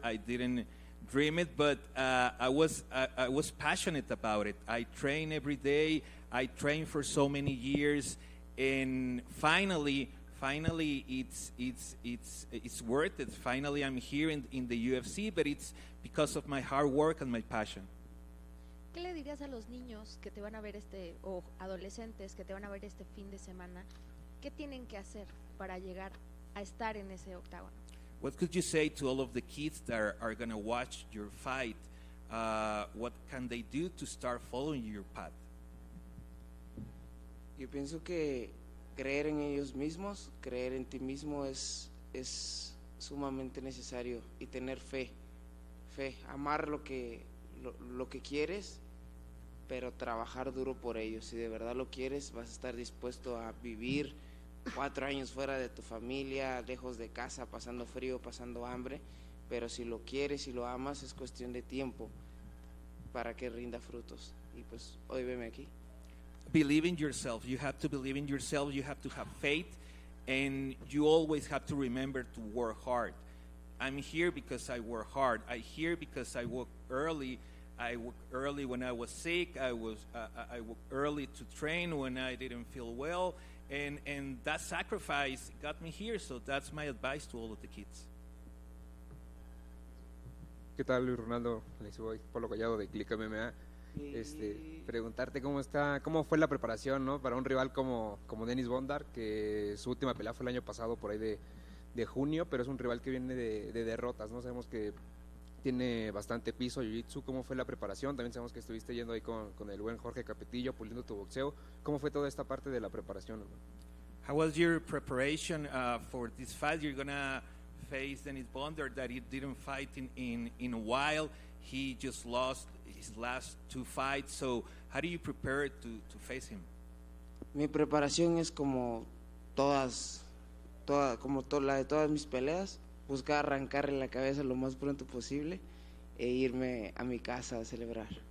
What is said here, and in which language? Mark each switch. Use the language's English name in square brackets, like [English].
[English] I didn't dream it, but I was passionate about it. I train every day. I train for so many years, and finally, it's worth it. Finally, I'm here in the UFC, but it's because of my hard work and my passion. [Spanish] ¿Qué le dirías a los niños que te van a ver o adolescentes que te van a ver este fin de semana? ¿Qué tienen que hacer para llegar a estar en ese octágono? [English] What could you say to all of the kids that are going to watch your fight? What can they do to start following your path? [Spanish] Y Yo pienso que creer en ellos mismos, creer en ti mismo es sumamente necesario, y tener fe, amar lo que quieres, pero trabajar duro por ello. Si de verdad lo quieres, vas a estar dispuesto a vivir 4 años fuera de tu familia, lejos de casa, pasando frío, pasando hambre, pero si lo quieres y lo amas, es cuestión de tiempo para que rinda frutos. Y pues hoy veme aquí. [English] Believe in yourself. You have to believe in yourself. You have to have faith, and you always have to remember to work hard. I'm here because I work hard. I'm here because I work early. I work early when I was sick. I work early to train when I didn't feel well, and that sacrifice got me here. So that's my advice to all of the kids. [Spanish] ¿Qué tal, Luis Ronaldo? Les voy por lo callado de Click MMA. Preguntarte cómo fue la preparación, ¿no?, para un rival como Dennis Bondar, que su última pelea fue el año pasado por ahí de junio, pero es un rival que viene de derrotas, ¿no? Sabemos que tiene bastante piso jiu-jitsu. ¿Cómo fue la preparación? También sabemos que estuviste yendo ahí con el buen Jorge Capetillo puliendo tu boxeo. ¿Cómo fue toda esta parte de la preparación, ¿no? [English] How was your preparation for this fight? You're gonna face Dennis Bondar that he didn't fight in a while. He just lost his last 2 fights. So how do you prepare to face him? [Spanish] Mi preparación es como la de todas mis peleas, buscar arrancarle la cabeza lo más pronto posible e irme a mi casa a celebrar.